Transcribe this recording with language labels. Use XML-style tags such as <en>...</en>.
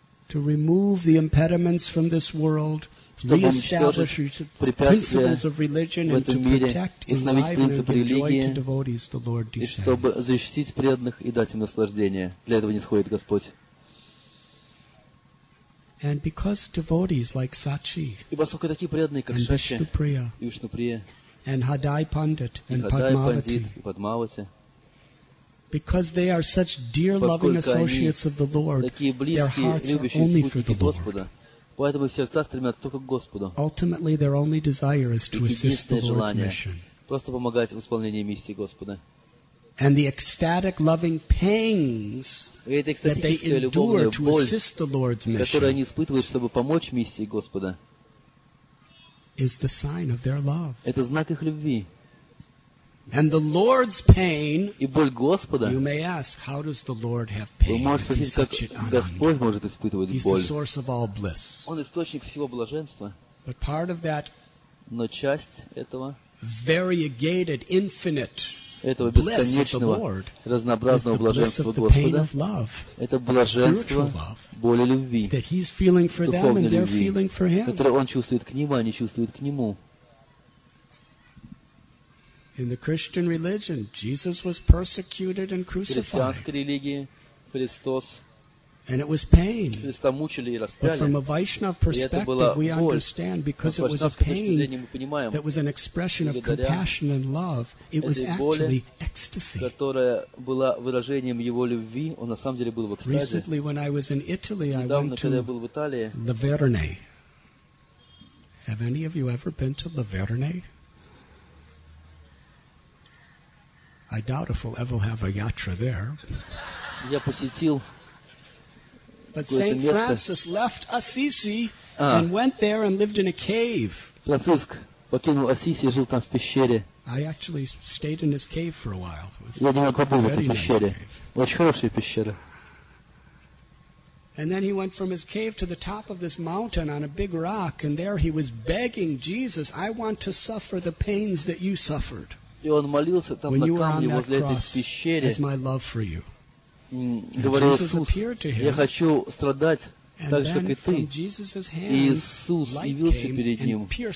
<en>To remove the impediments from this world, reestablish principles of religion, and to protect, enliven, and give joy to devotees, the Lord descends.</en> <ru>И чтобы защитить преданных и дать им наслаждение. Для этого нисходит Господь.</ru> <en>And because devotees like Sachi and Vishnupriya and Hadai Pandit and Padmavati, because they are such dear loving associates of the Lord, their hearts are only for the Lord.</en> <ru>Поэтому сердца стремятся только к Господу.</ru> <en>Ultimately, their only desire is to assist the Lord's mission.</en> <ru>Просто помогать в исполнении миссии Господа.</ru> <en>And the ecstatic loving pangs that they endure to assist the Lord's mission,</en> <ru>которые они испытывают, чтобы помочь миссии Господа,</ru> <en>is the sign of their love.</en> <ru>Это знак их любви.</ru> <en>And the Lord's pain,</en> <ru>и боль Господа,</ru> <en>you may ask, how does the Lord have pain?</en> <ru>Вы можете спросить, как Господь может испытывать боль?</ru> <en>He's the source of all bliss.</en> <ru>Он источник всего блаженства.</ru> <en>But part of that,</en> <ru>но часть этого,</ru> <en>variegated, infinite.</en> <ru>Этого бесконечного, разнообразного блаженства Господа, это блаженство боли любви, духовной любви, которую Он чувствует к ним, а они чувствуют к Нему.</ru> <en>In the Christian religion, Jesus was persecuted and crucified.</en> <ru>В христианской религии Христос,</ru> <en>and it was pain.</en> <ru>Христа мучили и распяли.</ru> <en>But from a Vaishnava perspective, we understand because it was a pain that was an expression of compassion and love. It was actually ecstasy.</en> <ru>Которая была выражением его любви, он на самом деле был в экстазе.</ru> <en>Recently, when I was in Italy, I went to Liverne. Have any of you ever been to Liverne? I doubt if we'll ever have a yatra there.</en> <ru>Я посетил.</ru> <en>But Saint Francis left Assisi and went there and lived in a cave.</en> <ru>Франциск покинул Ассизи и жил там в пещере.</ru> <en>I actually stayed in his cave for a while.</en> <ru>Я немного побыл в этой пещере. Очень хорошая пещера.</ru> <en>And then he went from his cave to the top of this mountain on a big rock, and there he was begging Jesus, "I want to suffer the pains that you suffered."</en> <ru>И он молился там на камне возле этой пещеры.</ru> <en>Is my love for you.</en> <ru>Говорил Иисус, я хочу страдать так же, как и ты. И Иисус явился перед ним.</ru>